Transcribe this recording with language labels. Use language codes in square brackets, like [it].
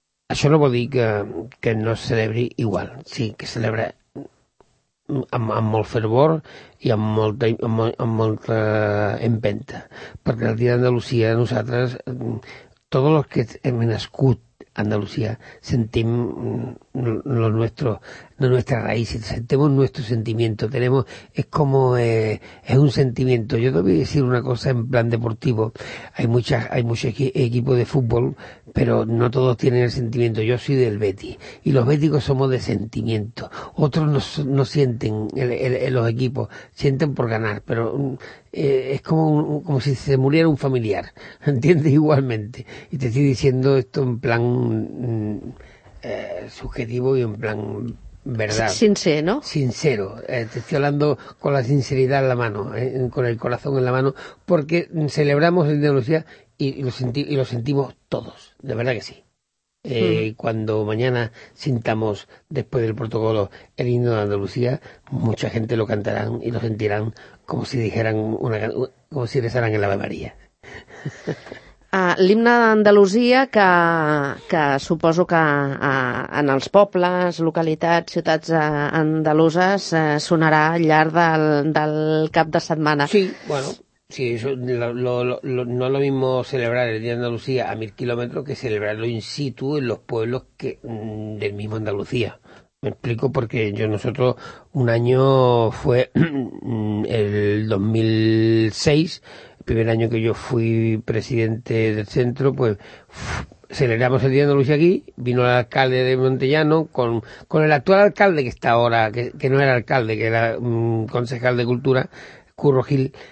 [ca] Això no vol dir que no es celebri igual, sí, que es celebra amb molt fervor i amb molta empenta. Perquè el Dia d'Andalusia, nosaltres, tots els que hem nascut a Andalusia, sentim [es] nuestra raíz, sentimos nuestro sentimiento, es un sentimiento. Yo te voy a decir una cosa en plan deportivo, hay muchos equipos de fútbol, pero no todos tienen el sentimiento. Yo soy del Betis, y los béticos somos de sentimiento. Otros no sienten en los equipos, sienten por ganar, pero es como si se muriera un familiar, ¿entiendes? Igualmente, y te estoy diciendo esto en plan subjetivo y en plan... ¿Verdad? Sincero, ¿no? Sincero. Te estoy hablando con la sinceridad en la mano, con el corazón en la mano, porque celebramos la Andalucía y lo sentimos todos, de verdad que sí. Cuando mañana sintamos, después del protocolo, el himno de Andalucía, mucha gente lo cantará y lo sentirán como si dijeran una, como si rezaran el Ave María. [ca] L'himne d'Andalusia, que suposo que en els pobles, localitats, ciutats andaluses sonarà al llarg del cap de setmana. [es] Sí, bueno, sí, eso, no es lo mismo celebrar el Día de Andalucía a 1000 kilómetros que celebrarlo in situ en los pueblos que del mismo Andalucía. Me explico, porque nosotros un año fue el 2006, el primer año que yo fui presidente del centro, pues celebramos el Día de Andalucía aquí, vino el alcalde de Montellano con el actual alcalde que está ahora, que no era alcalde, que era concejal de cultura, Curro Gil.